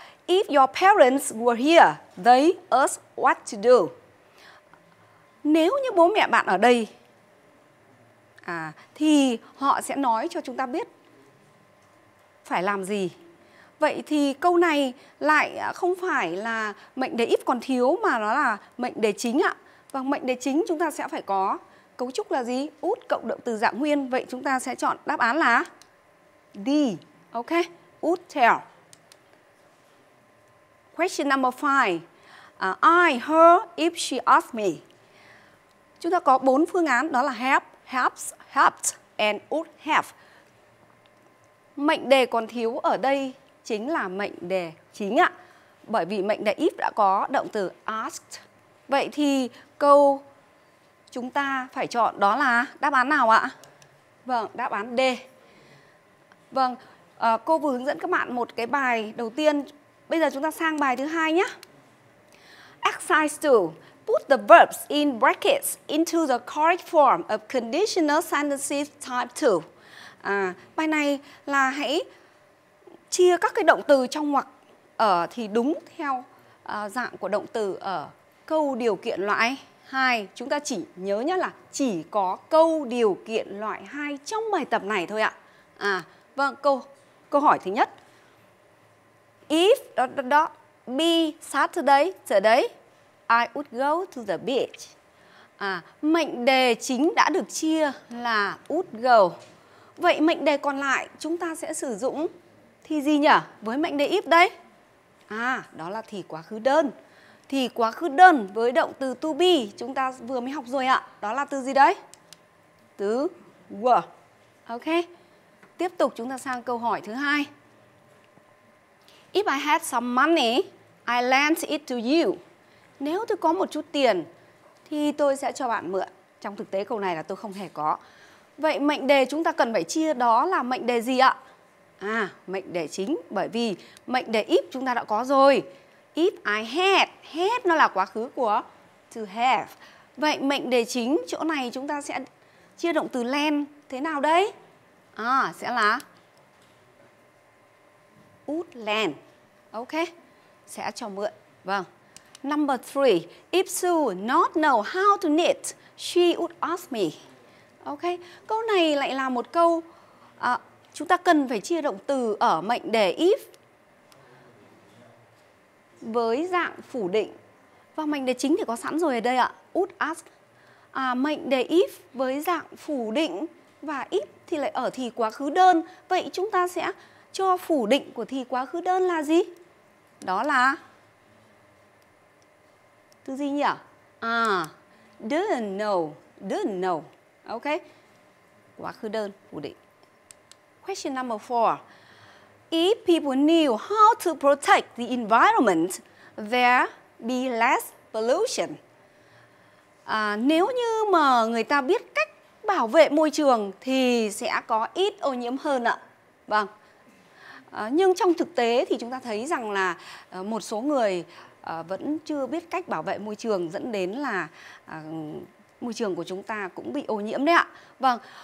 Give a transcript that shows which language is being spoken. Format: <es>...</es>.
<en>If your parents were here, they asked what to do.</en> <vi>Nếu như bố mẹ bạn ở đây, à, thì họ sẽ nói cho chúng ta biết phải làm gì. Vậy thì câu này lại không phải là mệnh đề if còn thiếu, mà nó là mệnh đề chính ạ. Và mệnh đề chính chúng ta sẽ phải có cấu trúc là gì? Would cộng động từ dạng nguyên. Vậy chúng ta sẽ chọn đáp án là D.</vi> <en>Ok, would tell. Question number 5. I, her, if she asked me.</en> <vi>Chúng ta có 4 phương án, đó là</vi> <en>have, helps, helped and would have.</en> <vi>Mệnh đề còn thiếu ở đây chính là mệnh đề chính ạ. Bởi vì mệnh đề if đã có động từ asked. Vậy thì câu chúng ta phải chọn đó là đáp án nào ạ? Vâng, đáp án D. Vâng, cô vừa hướng dẫn các bạn một cái bài đầu tiên. Bây giờ chúng ta sang bài thứ hai nhé.</vi> <en>Exercise 2. Put the verbs in brackets into the correct form of conditional sentences type 2.</en> <vi>À, bài này là hãy chia các cái động từ trong ngoặc ở thì đúng theo dạng của động từ ở câu điều kiện loại 2. Chúng ta chỉ nhớ nhá là chỉ có câu điều kiện loại 2 trong bài tập này thôi ạ. À, vâng, câu hỏi thứ nhất.</vi> <en>If dot dot dot be Saturday today, I would go to the beach.</en> <vi>À, mệnh đề chính đã được chia là would go. Vậy mệnh đề còn lại chúng ta sẽ sử dụng thì gì nhỉ? Với mệnh đề if đây. À, đó là thì quá khứ đơn. Thì quá khứ đơn với động từ to be chúng ta vừa mới học rồi ạ. Đó là từ gì đấy? Từ were. Ok. Tiếp tục chúng ta sang câu hỏi thứ hai.</vi> <en>If I had some money, I lent it to you.</en> <vi>Nếu tôi có một chút tiền thì tôi sẽ cho bạn mượn. Trong thực tế câu này là tôi không hề có. Vậy mệnh đề chúng ta cần phải chia đó là mệnh đề gì ạ? À, mệnh đề chính, bởi vì mệnh đề if chúng ta đã có rồi. If I had, had nó là quá khứ của to have. Vậy mệnh đề chính chỗ này chúng ta sẽ chia động từ lend thế nào đây? À, sẽ là would lend. Ok, sẽ cho mượn. Vâng.</vi> <en>Number 3. If Sue not know how to knit, she would ask me.</en> <vi>Ok, câu này lại là một câu chúng ta cần phải chia động từ ở mệnh đề if với dạng phủ định. Và mệnh đề chính thì có sẵn rồi ở đây ạ. Would ask. À, mệnh đề if với dạng phủ định và if thì lại ở thì quá khứ đơn. Vậy chúng ta sẽ cho phủ định của thì quá khứ đơn là gì? Đó là từ gì nhỉ?</vi> <en>À, didn't know. Didn't know. Ok.</en> <vi>Quá khứ đơn, phủ định.</vi> <en>Question number 4. If people knew how to protect the environment, there be less pollution.</en> <vi>À, nếu như mà người ta biết cách bảo vệ môi trường thì sẽ có ít ô nhiễm hơn ạ. Vâng. À, nhưng trong thực tế thì chúng ta thấy rằng là một số người vẫn chưa biết cách bảo vệ môi trường, dẫn đến là môi trường của chúng ta cũng bị ô nhiễm đấy ạ. Vâng.</vi>